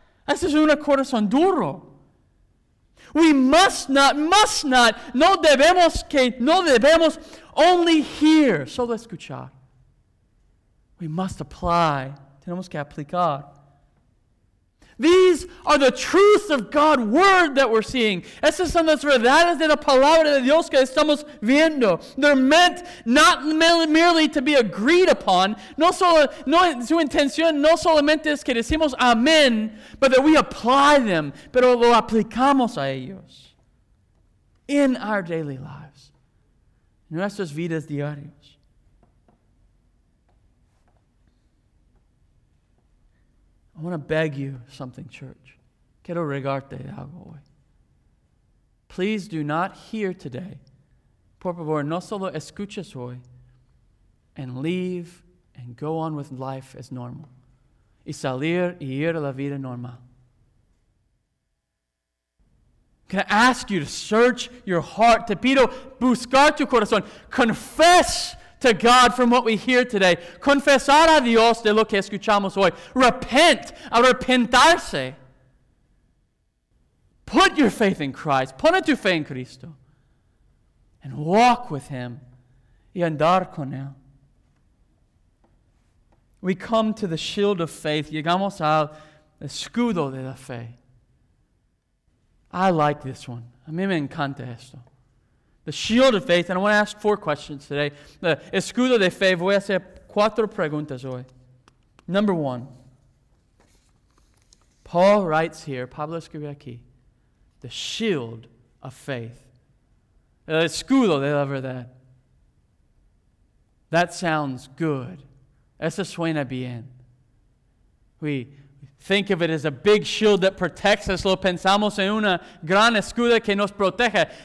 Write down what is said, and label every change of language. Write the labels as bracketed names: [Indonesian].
[Spanish] Eso es un corazón duro. [English] We must not, [Spanish] no debemos que, no debemos [English] only hear. [Spanish] Solo escuchar. [English] We must apply. [Spanish] Tenemos que aplicar. [English] These are the truths of God's Word that we're seeing. [Spanish] Estas son las verdades de la palabra de Dios que estamos viendo. [English] They're meant not merely to be agreed upon. [Spanish] Su intención no solamente es que decimos amén, [English] but that we apply them, [Spanish] pero lo aplicamos a ellos [English] in our daily lives, [Spanish] nuestras vidas diarias. [English] I want to beg you something, church. [Spanish] Quiero regarte algo hoy. [English] Please do not hear today. [Spanish] Por favor, no solo escuches hoy [English] and leave and go on with life as normal. [Spanish] Y salir y ir a la vida normal. [English] I'm going to ask you to search your heart. [Spanish] Te pido buscar tu corazón. [English] Confess to God from what we hear today. [Spanish] Confesar a Dios de lo que escuchamos hoy. [English] Repent. [Spanish] Arrepentarse. [English] Put your faith in Christ. [Spanish] Pone tu fe en Cristo. [English] And walk with Him. [Spanish] Y andar con Él. [English] We come to the shield of faith. [Spanish] Llegamos al escudo de la fe. [English] I like this one. [Spanish] A mí me encanta esto. [English] The shield of faith, and I want to ask four questions today. [Spanish] The escudo de fe, voy a hacer cuatro preguntas hoy. [English] Number one, Paul writes here, [Spanish] Pablo escribe aquí, [English] the shield of faith. [Spanish] El escudo de la verdad. [English] That sounds good. [Spanish] Eso suena bien. [English] We think of it as a big shield that protects us. [Spanish] Lo pensamos en una gran escudo que nos protege.